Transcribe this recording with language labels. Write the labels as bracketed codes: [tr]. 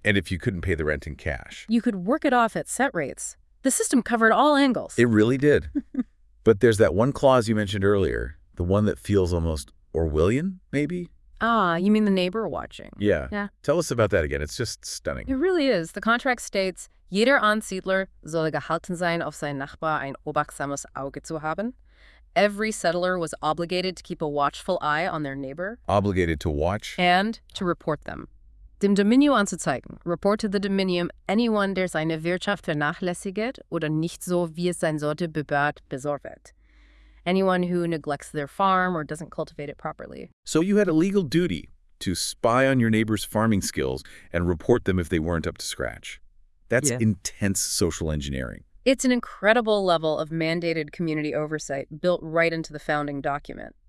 [en] And if you couldn't pay the rent in cash? You could work it off at set rates. The system covered all angles. It really did. But there's that one clause you mentioned earlier, the one that feels almost Orwellian, maybe? Ah, you mean the neighbor watching. Yeah. Yeah. Tell us about that again. It's just stunning. It really is. The contract states, [de] Jeder Ansiedler soll gehalten sein, auf seinen Nachbar ein obachtsames Auge zu haben. [en] Every settler was obligated to keep a watchful eye on their neighbor. Obligated to watch. And to report them. [de] Dem Dominio anzuzeigen. [en] Report to the Dominium anyone, [de] der seine Wirtschaft vernachlässiget oder nicht so, wie es sein sollte, bebaut, besorvet. [en] Anyone who neglects their farm or doesn't cultivate it properly. So you had a legal duty to spy on your neighbor's farming skills and report them if they weren't up to scratch. That's intense social engineering. It's an incredible level of mandated community oversight built right into the founding document.